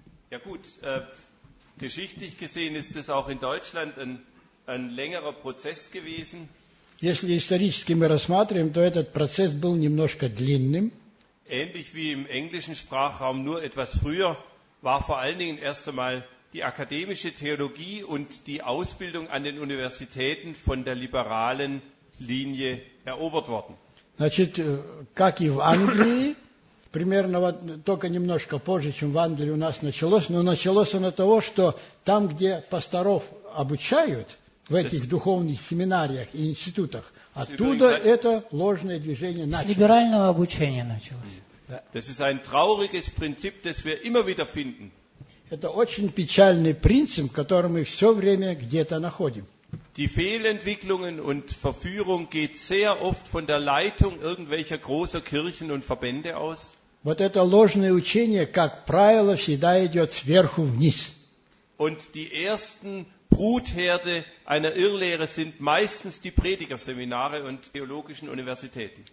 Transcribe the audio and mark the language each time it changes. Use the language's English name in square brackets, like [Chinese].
[German] ja gut, geschichtlich gesehen ist es auch in Deutschland ein längerer Prozess gewesen. [Russian] Если исторически мы рассматриваем, то этот процесс был немножко длинным. [German] Ähnlich wie im englischen Sprachraum nur etwas früher, war vor allen Dingen erst einmal die akademische Theologie und die Ausbildung an den Universitäten von der liberalen Linie erobert worden. [Russian] Значит, как и в Англии, примерно вот только немножко позже, чем в Англии у нас началось, но началось оно того, что там, где пасторов обучают, в этих духовных семинариях и институтах. Оттуда это ложное движение началось. С либерального обучения началось. [German] Das ist ein trauriges Prinzip, das wir immer wieder finden. [Russian] Это очень печальный принцип, который мы все время где-то находим. [German] Die Fehlentwicklungen und Verführung geht sehr oft von der Leitung irgendwelcher großer Kirchen und Verbände aus. [Russian] Вот это ложное учение, как правило, всегда идет сверху вниз. [German] Und die ersten Brutherde einer Irrlehre sind meistens die Predigerseminare und theologischen Universitäten.